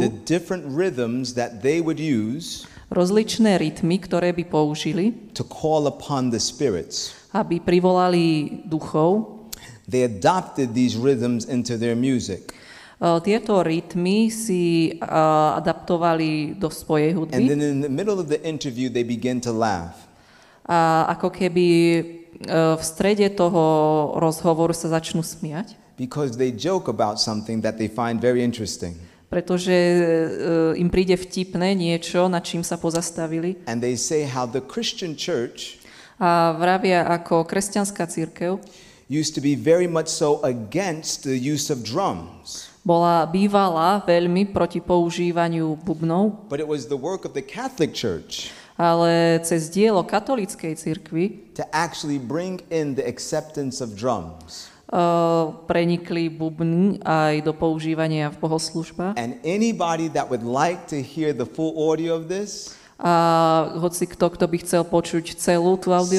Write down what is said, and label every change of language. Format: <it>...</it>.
<en>the different rhythms that they would use,</en> <sk>rozličné rytmy, ktoré by použili,</sk> <en>to call upon the spirits,</en> <sk>aby privolali duchov.</sk> <en>They adopted these rhythms into their music.</en> <sk>Tieto rytmy si adaptovali do svojej hudby.</sk> <en>And then in the middle of the interview they begin to laugh.</en> <sk>A ako keby v strede toho rozhovoru sa začnú smiať.</sk> <en>Because they joke about something that they find very interesting.</en> <sk>pretože im príde vtipné niečo, nad čím sa pozastavili.</sk> <en>And they say how the Christian church,</en> <sk>a vravia ako kresťanská cirkev,</sk> <en>used to be very much so against the use of drums.</en> <sk>Bola bývala veľmi proti používaniu bubnov.</sk> <en>But it was the work of the Catholic Church.</en> <sk>Ale cez dielo katolíckej cirkvi</sk> <en>to actually bring in the acceptance of drums.</en> <sk>Prenikli bubny aj do používania v bohoslužbách.</sk> <en>And anybody that would like to hear the full audio of this,</en> <sk>a hoci kto by chcel počuť celú tú</sk>